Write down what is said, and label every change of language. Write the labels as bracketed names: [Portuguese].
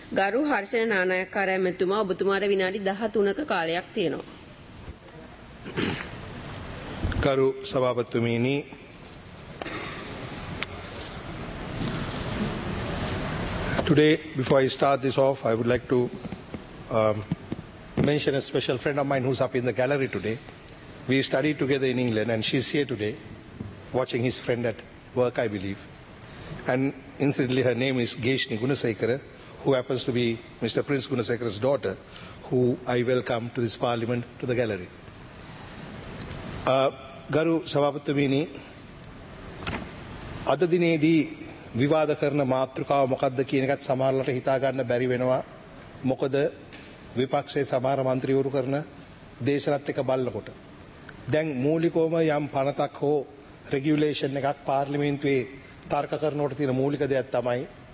[Sinhala] ගරු හර්ෂණ නානායක්කාර ඇමතුමා, ඔබතුමාට විනාඩි 13ක කාලයක් තියෙනවා. ගරු සභාපතිතුමනි, [English] today before I start this off I would like to mention a special friend of mine who's up in the gallery today. We studied together in England and she's here today watching his friend at work, I believe, and incidentally her name is Geshni Gunasekara, who happens to be Mr. Prince Gunasekara's daughter, who I welcome to this parliament, to the gallery. [Sinhala] Garu Sabhapathimini, ada dinedi විවාද කරන මාතෘකාව මොකක්ද කියන එකත් සමහරවිට හිතා ගන්න බැරි වෙනවා. මොකද විපක්ෂයේ සමහර මන්ත්‍රීවරු කරන දේශනත් එක බලනකොට දැන් මූලිකවම යම් පනතක් හෝ රෙගියුලේෂන් එකක් පාර්ලිමේන්තුවේ තර්ක කරනකොට තියෙන මූලික දෙයක් තමයි